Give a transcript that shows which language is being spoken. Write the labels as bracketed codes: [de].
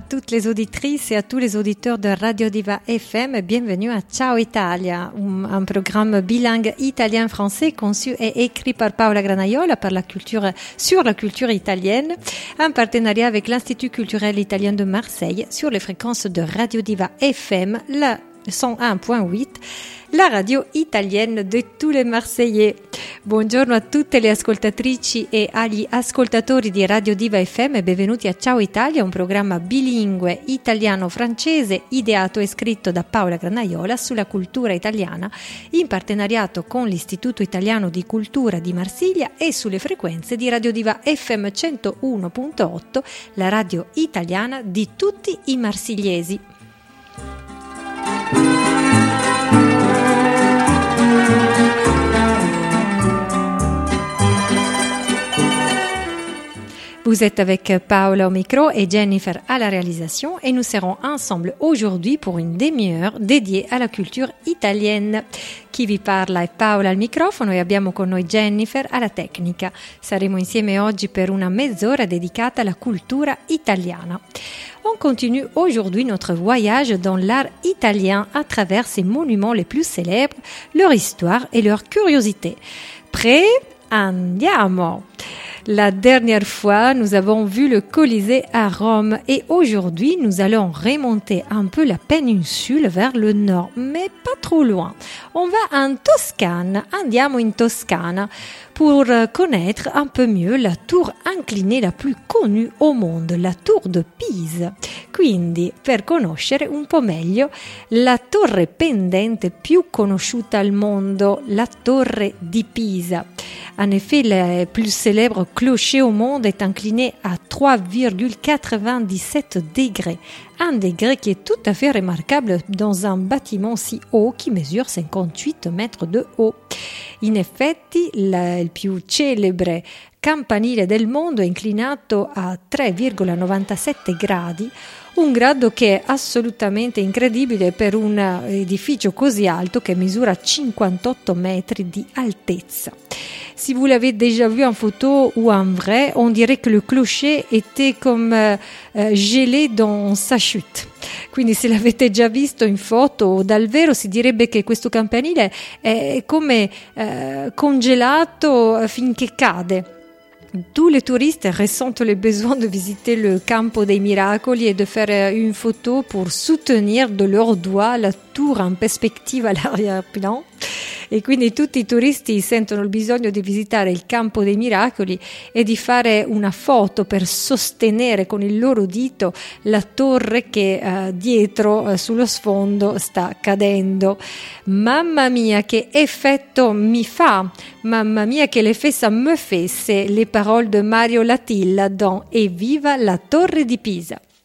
[fr] Les auditrices et à tous les auditeurs de Radio Diva FM, bienvenue à Ciao Italia, un programme bilingue italien-français conçu et écrit par Paola Granaiola sur la culture italienne, en partenariat avec l'Institut culturel italien de Marseille sur les fréquences de Radio Diva FM, la 101.8, la radio italienne de tous les Marseillais. [it] Buongiorno a tutte le ascoltatrici e agli ascoltatori di Radio Diva FM e benvenuti a Ciao Italia, un programma bilingue italiano-francese ideato e scritto da Paola Granaiola sulla cultura italiana in partenariato con l'Istituto Italiano di Cultura di Marsiglia e sulle frequenze di Radio Diva FM 101.8, la radio italiana di tutti i marsigliesi. [fr] Vous êtes avec Paola au micro et Jennifer à la réalisation et nous serons ensemble aujourd'hui pour une demi-heure dédiée à la culture italienne. [it] Chi vi parla è Paola al microfono e abbiamo con noi Jennifer alla tecnica. Saremo insieme oggi per una mezz'ora dedicata alla cultura italiana. [fr] On continue aujourd'hui notre voyage dans l'art italien à travers ses monuments les plus célèbres, leur histoire et leur curiosité. Prêt ? [it] Andiamo ! [fr] La dernière fois, nous avons vu le Colisée à Rome et aujourd'hui, nous allons remonter un peu la péninsule vers le nord, mais pas trop loin. On va en Toscane, [it] andiamo in Toscana, [fr] pour connaître un peu mieux la tour inclinée la plus connue au monde, la tour de Pise. [it] Quindi, per conoscere un po' meglio la torre pendente più conosciuta al mondo, la torre di Pisa. [fr] En effet, le plus célèbre clocher au monde est incliné à 3,97 degrés, un degré qui est tout à fait remarquable dans un bâtiment si haut qui mesure 58 mètres de haut. [it] In effetti, il più célèbre campanile del mondo è inclinato a 3,97 gradi, un grado che è assolutamente incredibile per un edificio così alto che misura 58 metri di altezza. [fr] Si vous l'avez déjà vu en photo ou en vrai, on dirait que le clocher était comme gelé dans sa chute. [it] Quindi se l'avete già visto in foto o dal vero, si direbbe che questo campanile è come congelato finché cade. [fr] Tous les touristes ressentent le besoin de visiter le Campo dei Miracoli et de faire une photo pour soutenir de leurs doigts la tour en perspective à l'arrière-plan. [it] E quindi tutti i turisti sentono il bisogno di visitare il Campo dei Miracoli e di fare una foto per sostenere con il loro dito la torre che dietro sullo sfondo sta cadendo. Mamma mia, che effetto mi fa! Mamma mia, che [fr] l'effet ça me fait, c'est les paroles de Mario Latilla dans Evviva la Torre di Pisa.